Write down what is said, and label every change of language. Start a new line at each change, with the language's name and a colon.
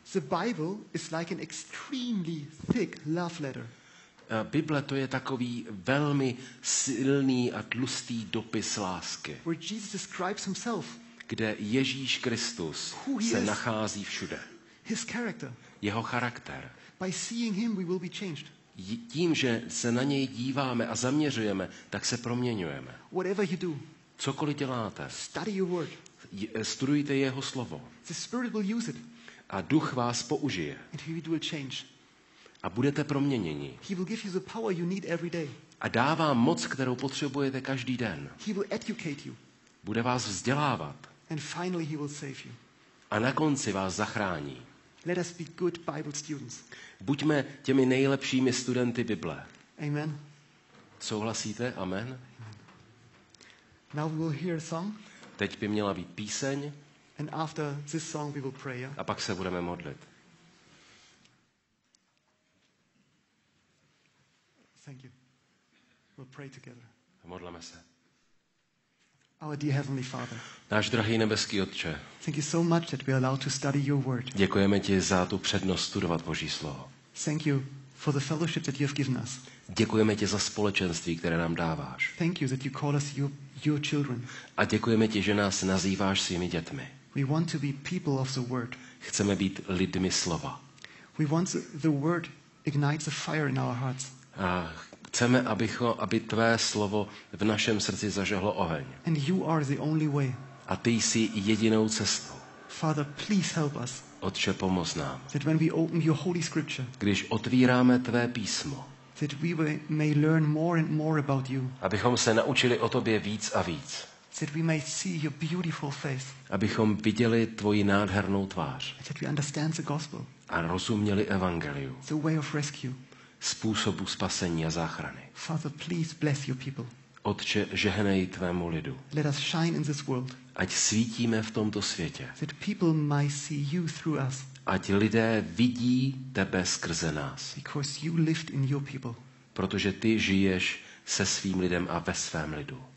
English: The Bible is like an extremely thick love letter.
Czech: Bible to je takový velmi silný a tlustý dopis lásky.
English: Where Jesus describes himself.
Czech: Kde Ježíš Kristus se nachází všude.
English: His character.
Czech: Jeho charakter.
English: By seeing him, we will be changed.
Czech: Tím, že se na něj díváme a zaměřujeme, tak se proměňujeme.
English: Whatever you do.
Czech: Cokoliv děláte.
English: Study your word.
Czech: Studujte jeho slovo.
English: The Spirit will use it.
Czech: A duch vás použije.
English: And he will change.
Czech: A budete proměněni.
English: He will give you the power you need every day.
Czech: A dává moc, kterou potřebujete každý den.
English: He will educate you.
Czech: Bude vás vzdělávat.
English: And finally he will save you.
Czech: A na konci vás zachrání.
English: Let us be good Bible students.
Czech: Buďme těmi nejlepšími studenty Bible.
English: Amen.
Czech: Souhlasíte? Amen. Amen.
English: Now we will hear a song.
Czech: Teď by měla být píseň.
English: And after this song we will pray, yeah?
Czech: A pak se budeme modlit.
English: Thank you. We'll pray together.
Czech: A modleme se.
English: Our dear heavenly Father.
Czech: Náš drahý nebeský Otče.
English: Thank you so much that we are allowed to study your word.
Czech: Děkujeme ti za tu přednost studovat Boží slovo.
English: Thank you for the fellowship that you have given us.
Czech: Děkujeme ti za společenství, které nám dáváš.
English: Thank you that you call us your children.
Czech: A děkujeme ti, že nás nazýváš svými dětmi.
English: We want to be people of the word.
Czech: Chceme být lidmi slova.
English: We want the word ignites a fire in our hearts.
Czech: Chceme, aby tvé slovo v našem srdci zažehlo oheň.
English: And you are the only way.
Czech: A ty jsi jedinou cestou.
English: Father, please help us.
Czech: Otče, pomoz nám.
English: That when we open your holy scripture.
Czech: Když otvíráme tvé písmo.
English: That we may learn more and more about you.
Czech: Abychom se naučili o tobě víc a víc.
English: That we may see your beautiful face.
Czech: Abychom viděli tvoji nádhernou tvář.
English: That we understand the gospel.
Czech: A rozuměli evangeliu.
English: The way of rescue.
Czech: Způsobu spasení a záchrany.
English: Father, please bless your people.
Czech: Otče, žehnej tvému lidu.
English: Let us shine in this world.
Czech: Ať svítíme v tomto světě.
English: That people may see you through us.
Czech: Ať lidé vidí tebe skrze nás.
English: Because you live in your people.
Czech: Protože ty žiješ se svým lidem a ve svém lidu.